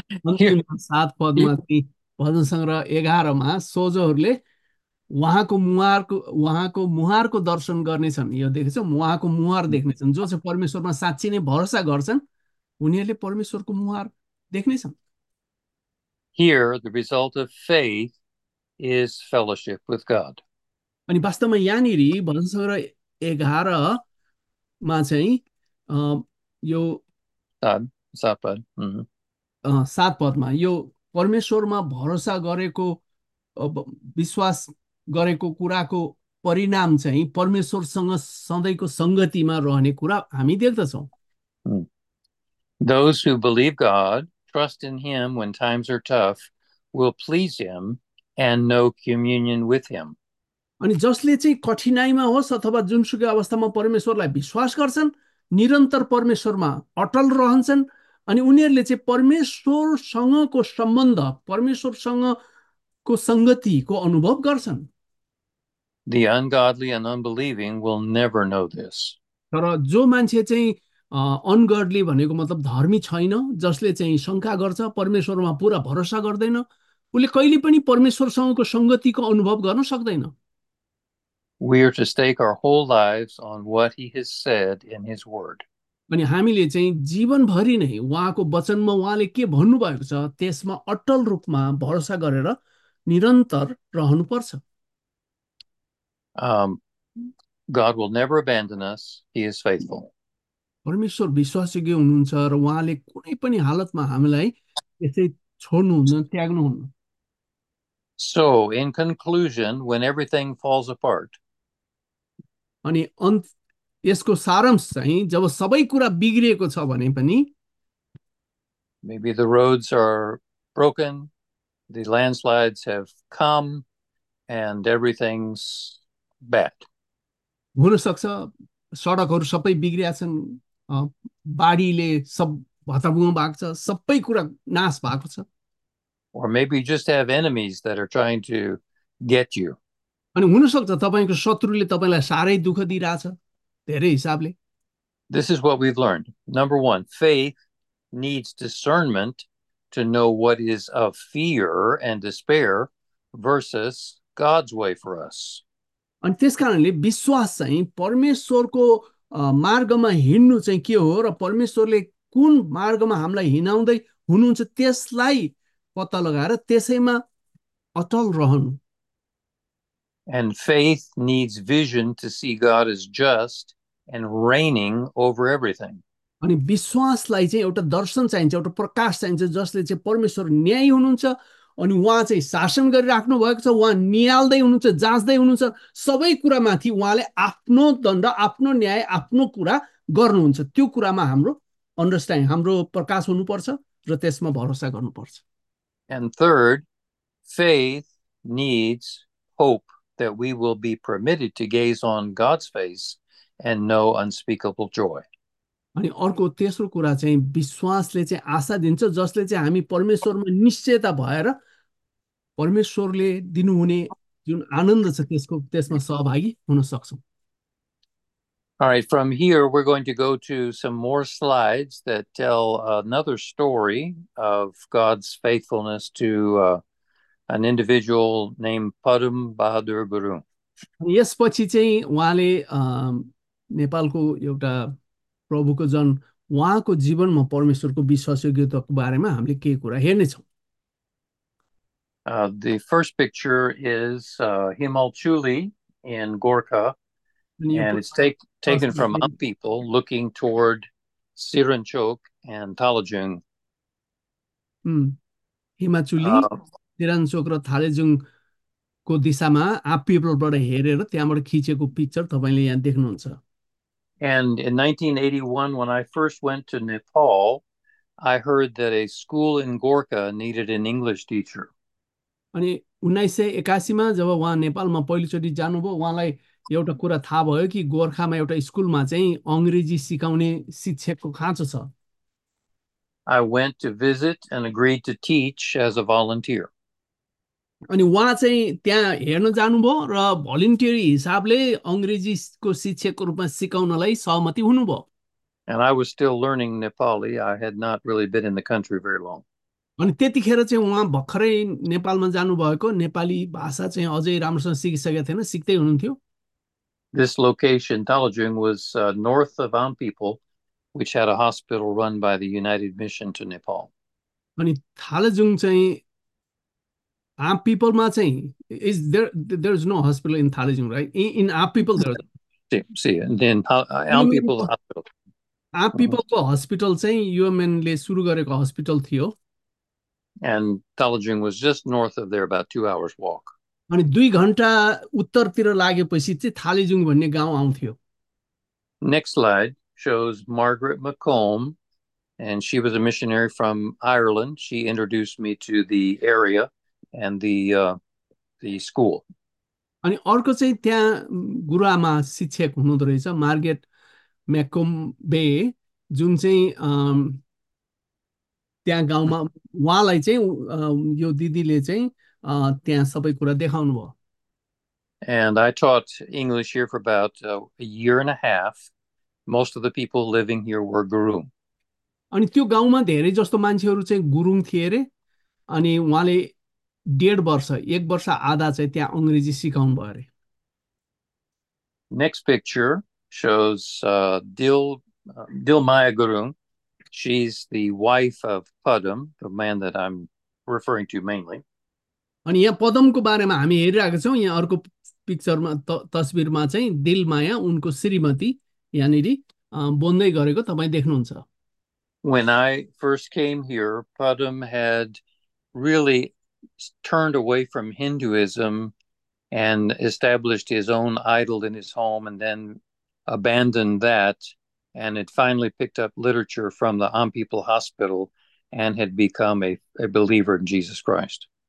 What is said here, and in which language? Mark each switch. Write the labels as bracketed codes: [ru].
[ne] अन्तिममा 7 पदमा भजन सङ्ग्रह 11 सोजोहरूले उहाँको मुहारको दर्शन गर्नेछन्। यो देखेछ, उहाँको मुहार देख्नेछन्। जो चाहिँ परमेश्वरमा साँच्ची नै भरोसा गर्छन् उनीहरूले परमेश्वरको मुहार देख्नेछन्। [en] the result of faith is fellowship with God. [ne] अनि वास्तवमा यहाँनिर भजन सङ्ग्रह 11 चाहिँ यो सात पदमा यो परमेश्वरमा भरोसा गरेको विश्वास गरेको कुराको परिणाम चाहिँ परमेश्वरसँग सधैँको संगतिमा रहने कुरा हामी देख्दछौँ। [en] Those who believe God, trust in him when times are tough, will please him and no communion with him. [ne] अनि जसले चाहिँ कठिनाइमा होस् अथवा जुनसुकै अवस्थामा परमेश्वरलाई विश्वास गर्छन्, निरन्तर परमेश्वरमा अटल रहन्छन् अनि उनीहरूले चाहिँ परमेश्वरसँगको सम्बन्ध, परमेश्वरसँगको सङ्गतिको अनुभव गर्छन्। [en] The ungodly and unbelieving will never know this. [ne] तर जो मान्छे चाहिँ अनगडली भनेको मतलब धर्मी छैन, जसले चाहिँ शङ्का गर्छ, परमेश्वरमा पुरा भरोसा गर्दैन, उसले कहिले पनि परमेश्वरसँगको सङ्गतिको अनुभव गर्न सक्दैन। [en] We are to stake our whole lives on what he has said in his word. [ne] अनि हामीले चाहिँ जीवनभरि नै उहाँको वचनमा उहाँले के भन्नुभएको छ त्यसमा अटल रूपमा भरोसा गरेर निरन्तर रहनुपर्छ। [en] God will never abandon us. He is faithful. [ne] परमेश्वर विश्वासयोग्य हुनुहुन्छ र उहाँले कुनै पनि हालतमा हामीलाई यसै छोड्नुहुन्न, त्याग्नुहुन्न। [en] So, in conclusion, when everything falls apart, [ne] अनि अन्त यसको सारांश चाहिँ जब सबै कुरा बिग्रिएको छ भने पनि, [en] maybe the roads are broken, the landslides have come, and everything's bad. [ne] हुनसक्छ सडकहरू सबै बिग्रिएछन्, बाढीले सब भताभुङ भएको छ, सबै कुरा नाश भएको छ, [en] Or maybe you just have enemies that are trying to get you. [ne] अनि हुनसक्छ तपाईँको शत्रुले तपाईँलाई साह्रै दुःख दिइरहेछ धेरै हिसाबले। [en] This is what we've learned. Number one, faith needs discernment to know what is of fear and despair versus God's way for us. [ne] अनि त्यस कारणले विश्वास चाहिँ परमेश्वरको मार्गमा हिँड्नु चाहिँ के हो र परमेश्वरले कुन मार्गमा हामीलाई हिँडाउँदै हुनुहुन्छ त्यसलाई पत्ता लगाएर त्यसैमा अटल रहनु। [en] And faith needs vision to see God as just and reigning over everything. [ne] अनि विश्वासलाई चाहिँ एउटा दर्शन चाहिन्छ, एउटा प्रकाश चाहिन्छ जसले चाहिँ परमेश्वर न्यायी हुनुहुन्छ अनि उहाँ चाहिँ शासन गरिराख्नु भएको छ, उहाँ नियाल्दै हुनुहुन्छ, जाँच्दै हुनुहुन्छ, सबै कुरामाथि उहाँले आफ्नो दण्ड, आफ्नो न्याय, आफ्नो कुरा गर्नुहुन्छ। त्यो कुरामा हाम्रो अन्डरस्ट्यान्ड, हाम्रो प्रकाश हुनुपर्छ र त्यसमा भरोसा गर्नुपर्छ। [en] And third, faith needs hope. That we will be permitted to gaze on God's face and know unspeakable joy. [ne] अनि अर्को तेस्रो कुरा चाहिँ विश्वासले चाहिँ आशा दिन्छ जसले चाहिँ हामी परमेश्वरमा निश्चयता भएर परमेश्वरले दिनुहुने जुन आनन्द छ त्यसको त्यसमा सहभागी हुन सक्छौँ। [en] All right, from here we're going to go to some more slides that tell another story of God's faithfulness to An individual named Padam Bahadur Guru. [ne] यसपछि चाहिँ उहाँले नेपालको एउटा प्रभुको जन उहाँको जीवनमा परमेश्वरको विश्वासयोग्यताको बारेमा हामीले केही कुरा हेर्नेछौँ। [en] The first picture is Himal Chuli in Gorkha, and it's taken from Hmong people looking toward Sirinchok and Talajung. [ne] हिमाचुली तिरानचोक र थालेजुङको दिशामा आप पिपलबाट हेरेर त्यहाँबाट खिचेको पिक्चर तपाईँले यहाँ देख्नुहुन्छ। [en] And in 1981, when I first went to Nepal, I heard that a school in Gorkha needed an English teacher. [ne] अनि 1981 मा जब उहाँ नेपालमा पहिलोचोटि जानुभयो, उहाँलाई एउटा कुरा थाहा भयो कि गोर्खामा एउटा स्कुलमा चाहिँ अङ्ग्रेजी सिकाउने शिक्षकको खाँचो छ। [en] I went to visit and agreed to teach as a volunteer. [ne] अनि उहाँ चाहिँ त्यहाँ हेर्न जानुभयो र भलिन्टियरी हिसाबले अङ्ग्रेजीको शिक्षकको रूपमा सिकाउनलाई सहमति हुनुभयो। [en] And I was still learning Nepali. I had not really been in the country very long. [ne] अनि त्यतिखेर चाहिँ उहाँ भर्खरै नेपालमा जानुभएको, नेपाली भाषा चाहिँ अझै राम्रोसँग सिकिसकेको थिएन, सिक्दै हुनुहुन्थ्यो। [en] This location, Talajung, was north of Aum People, which had a hospital run by the United Mission to Nepal. [ne] अनि थालेजुङ चाहिँ आप पिपलमा चाहिँ [en] Is there there is no hospital in Thalejung right in Aap people there See, and then Aum People Hospital. [ne] आप पिपलको hospital चाहिँ युएमएनले सुरु गरेको hospital थियो। [en] And Talajung was just north of there, about 2 hours' walk. [ne] अनि 2 घन्टा उत्तरतिर लागेपछि चाहिँ थालेजुङ भन्ने गाउँ आउँथ्यो। [en] Next slide shows Margaret McComb, and she was a missionary from Ireland. She introduced me to the area and the school. [ne] अनि अर्को चाहिँ त्यहाँ गुरुआमा शिक्षक हुनुहुँदो रहेछ मार्गेट म्याकोम्बे, जुन चाहिँ त्यहाँ गाउँमा उहाँलाई चाहिँ यो दिदीले चाहिँ त्यहाँ सबै कुरा देखाउनु भयो। [en] And I taught English here for about a year and a half. Most of the people living here were gurung. [ne] अनि त्यो गाउँमा धेरै जस्तो मान्छेहरू चाहिँ गुरुङ थिए अरे, अनि उहाँले 1.5 वर्ष, 1 वर्ष आधा चाहिँ त्यहाँ अङ्ग्रेजी सिकाउनु भयो अरे। [en] Next picture shows Dilmaya Gurung. She's the wife of Padam, the man that I'm referring to mainly. [ne] अनि यहाँ पदमको बारेमा हामी हेरिरहेको छौँ, यहाँ अर्को पिक्चरमा तस्विरमा चाहिँ दिलमाया उनको श्रीमती यहाँनिर बोल्दै गरेको तपाईँ देख्नुहुन्छ। [en] When I first came here, Padam had really turned away from Hinduism and established his own idol in his home and then abandoned that. And it finally picked up literature from the Am People Hospital and had become a believer in Jesus Christ.